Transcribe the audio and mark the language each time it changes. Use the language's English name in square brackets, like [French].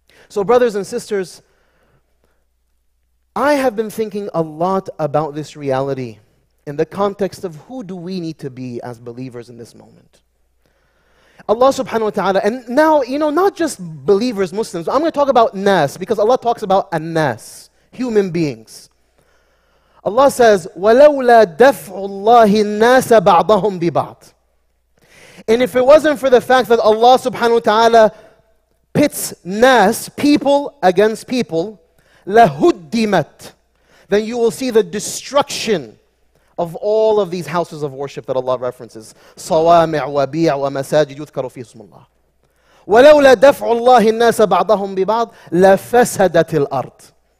[English] So, brothers and sisters, I have been thinking a lot about this reality in the context of who do we need to be as believers in this moment. Allah subhanahu wa ta'ala, and now, you know, not just believers, Muslims, I'm going to talk about nas, because Allah talks about an-nas, human beings. [Arabic] Allah says, وَلَوْلَا دَفْعُ اللَّهِ النَّاسَ بَعْضَهُمْ بِبَعْضٍ. [English] And if it wasn't for the fact that Allah subhanahu wa ta'ala pits nas, people against people, لَهُدِّمَتْ, then you will see the destruction of all of these houses of worship that Allah references. [Arabic] صَوَامِعْ وَبِيعْ وَمَسَاجِدْ يُذْكَرُ فِي اسْمُ اللَّهِ. وَلَوْلَا دَفْعُ اللَّهِ النَّاسَ بَعْضَهُمْ بِبَعْضٍ لَفَسَدَتِ الْأَرْضِ.